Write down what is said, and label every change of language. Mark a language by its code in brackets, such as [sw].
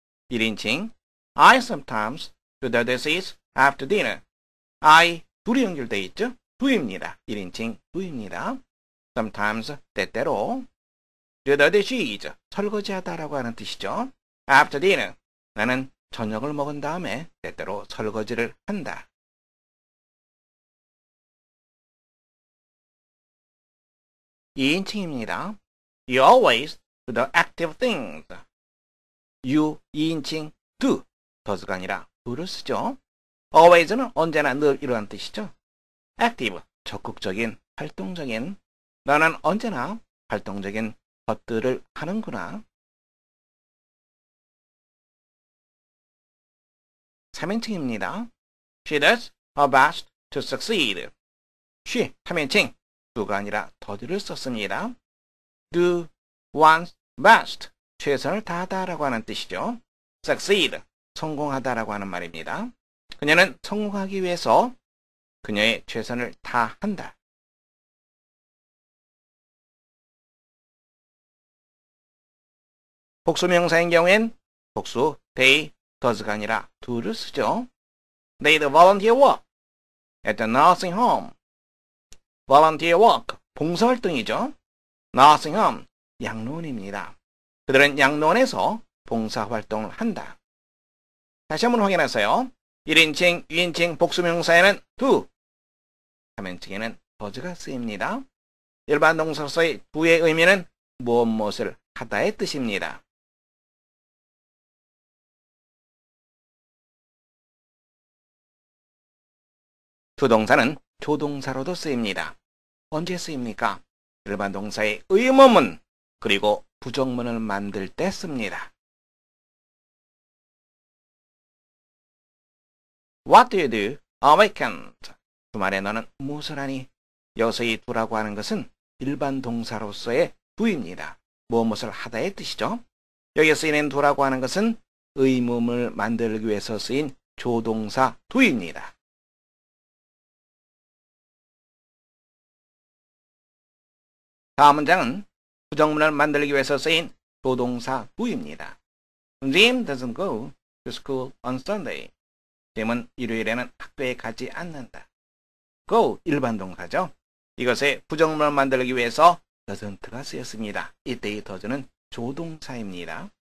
[ko] 1인칭, [en] I sometimes do the dishes after dinner. [ko] I, 둘이 연결되어 있죠? do입니다. 1인칭 do입니다. sometimes, 때때로. [en] do the dishes, [ko] 설거지하다라고 하는 뜻이죠. [en] after dinner, [ko] 나는 저녁을 먹은 다음에 때때로 설거지를 한다. 2인칭입니다. [en] you always do the active things. [ko] you, 2인칭, do, does가 아니라 do를 쓰죠. always는 언제나 늘 이러한 뜻이죠. active, 적극적인, 활동적인. 너는 언제나 활동적인 것들을 하는구나. 3인칭입니다. [en] She does her best to succeed. [ko] She, 3인칭, do가 아니라 does를 썼습니다. [en] do one's best, [ko] 최선을 다하다라고 하는 뜻이죠. succeed, 성공하다라고 하는 말입니다. 그녀는 성공하기 위해서 그녀의 최선을 다한다. 복수명사인 경우엔 복수 they, does가 아니라 do를 쓰죠. [en] They do volunteer work at the nursing home. Volunteer work, [ko] 봉사활동이죠. [en] Nursing home, [ko] 양로원입니다. 그들은 양로원에서 봉사활동을 한다. 다시 한번 확인하세요. 1인칭, 2인칭 복수명사에는 do, 3인칭에는 does가 쓰입니다. 일반 동사로서의 do의 의미는 무엇무엇을 하다의 뜻입니다. 두 동사는 조동사로도 쓰입니다. 언제 쓰입니까? 일반 동사의 의문문 그리고 부정문을 만들 때 씁니다. [en] What do you do on weekends? [ko] 주말에 너는 무엇을 하니? 여기서 이 do라고 하는 것은 일반 동사로서의 do입니다. 무엇을 하다의 뜻이죠? 여기에 쓰이는 do라고 하는 것은 의문문을 만들기 위해서 쓰인 조동사 do입니다. 다음 문장은 부정문을 만들기 위해서 쓰인 조동사 do입니다. [en] Jim doesn't go to school on Sunday. [ko] 짐은 일요일에는 학교에 가지 않는다. go, 일반 동사죠. 이것의 부정문을 만들기 위해서 doesn't가 쓰였습니다. 이때의 does는 조동사입니다.